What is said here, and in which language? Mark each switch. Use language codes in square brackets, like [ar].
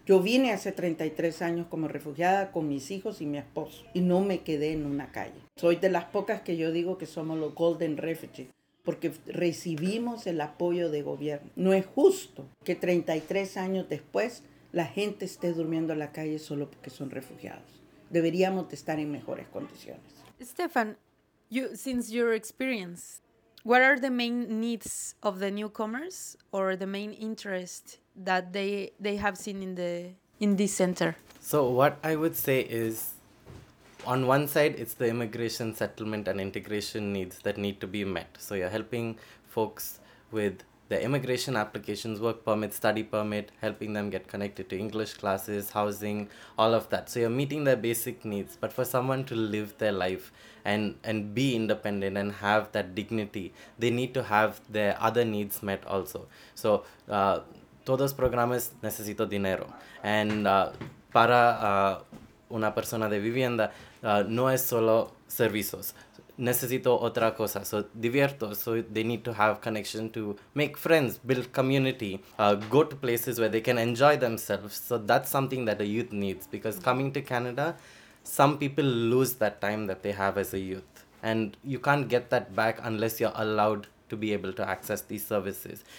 [es] Yo vine hace 33 años como refugiada con mis hijos y mi esposo y no me quedé en una calle. Soy de las pocas que yo digo que somos los Golden Refugees porque recibimos el apoyo de gobierno. No es justo que 33 años después la gente esté durmiendo en la calle solo porque son refugiados. Deberíamos de estar en mejores condiciones. [en] Stefan, since your experience, what are the main needs of the newcomers or the main interest that they have seen in this center? So what I would say is, on one side, it's the immigration settlement and integration needs that need to be met. So you're helping folks with the immigration applications, work permit, study permit, helping them get connected to English classes, housing, all of that. So you're meeting their basic needs. But for someone to live their life and be independent and have that dignity, they need to have their other needs met also. So [es] todos programas necesito dinero. [en] And [es] para una persona de vivienda, no es solo servicios. Necesito otra cosa. So, divierto. [en] So, they need to have connection to make friends, build community, go to places where they can enjoy themselves. So, that's something that a youth needs. Because coming to Canada, some people lose that time that they have as a youth. And you can't get that back unless you're allowed to be able to access these services.